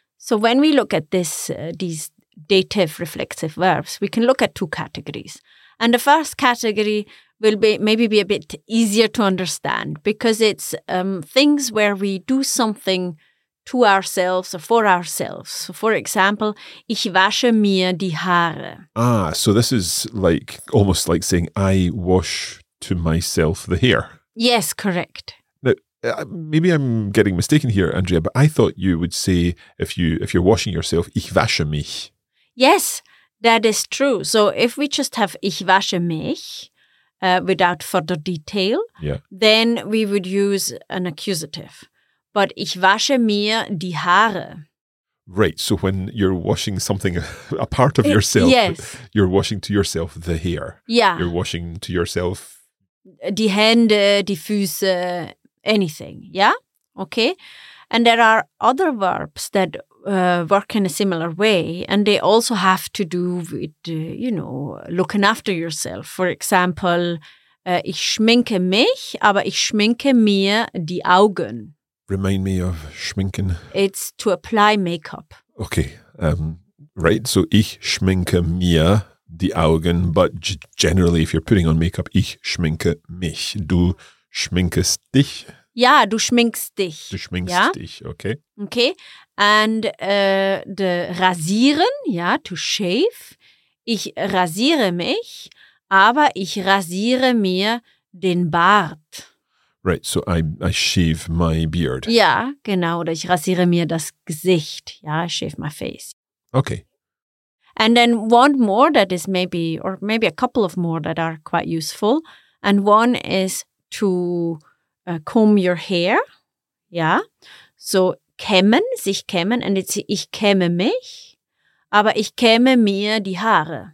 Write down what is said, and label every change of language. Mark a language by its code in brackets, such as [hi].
[en] So when we look at these dative reflexive verbs, we can look at two categories. And the first category will maybe be a bit easier to understand because it's things where we do something to ourselves or for ourselves. So for example, [de] ich wasche mir die Haare. [en] Ah, so this is like almost like saying I wash to myself the hair. Yes, correct. Now, maybe I'm getting mistaken here, Andrea, but I thought you would say if you're washing yourself, [de] ich wasche mich. [en] Yes, that is true. So if we just have [de] ich wasche mich [en] without further detail, then we would use an accusative. [de] But ich wasche mir die Haare. [en] Right, so when you're washing something, a part of yourself, you're washing to yourself the hair. Yeah. You're washing to yourself [de] die Hände, die Füße, [en] anything. Yeah? Okay. And there are other verbs that work in a similar way, and they also have to do with, looking after yourself. [de] For example, ich schminke mich, aber ich schminke mir die Augen. [en] Remind me of schminken. It's to apply makeup. Okay. Right. So [de] ich schminke mir die Augen. [en] But generally, if you're putting on makeup, [de] ich schminke mich. Du schminkest dich. Ja, du schminkst dich. Du schminkst dich. Okay. [en] Okay. And the rasieren, to shave. [de] Ich rasiere mich, aber ich rasiere mir den Bart. [en] Right, so I shave my beard. Yeah, [de] genau, oder ich rasiere mir das Gesicht. [en] Yeah, I shave my face. Okay. And then one more that is maybe, or maybe a couple of more that are quite useful. And one is to comb your hair. Yeah. [de] So kämmen, sich kämmen, [en] and it's [de] ich kämme mich, aber ich kämme mir die Haare.